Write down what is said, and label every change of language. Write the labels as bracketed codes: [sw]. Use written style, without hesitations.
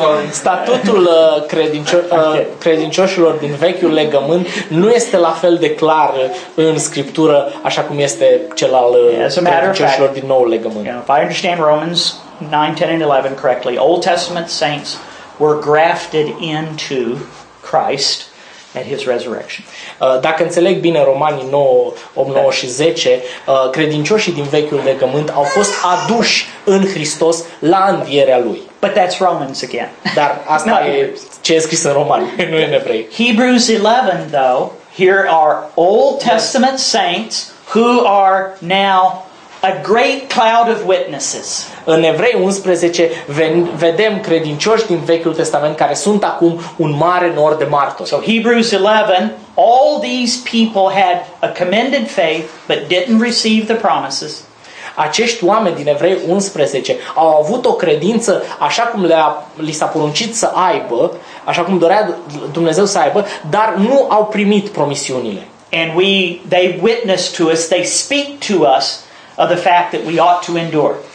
[ro] Statutul credincioșilor din vechiul legământ nu este la fel de clar în scriptură așa cum este cel al credincioșilor din noul legământ. [en] If I understand Romans 9, 10 and 11 correctly, Old Testament saints were grafted into Christ at his resurrection. [ro] Dacă înțeleg bine Romanii 9:9 și 10, credincioșii din vechiul legământ au fost aduși în Hristos la învierea lui. [en] But that's Romans again. [ro] Dar asta e ce e scris în Romani, nu în evrei. [en] Hebrews 11 though, here are Old Testament saints who are now a great cloud of witnesses. [ro] În Evrei 11 vedem credincioși din Vechiul Testament care sunt acum un mare nor de martori. [en] So Hebrews 11, all these people had a commended faith but didn't receive the promises. [ro] Acești oameni din Evrei 11 au avut o credință așa cum li s-a poruncit să aibă, așa cum dorea Dumnezeu să aibă, dar nu au primit promisiunile. [en] And they witness to us, they speak to us of the fact that we ought to endure.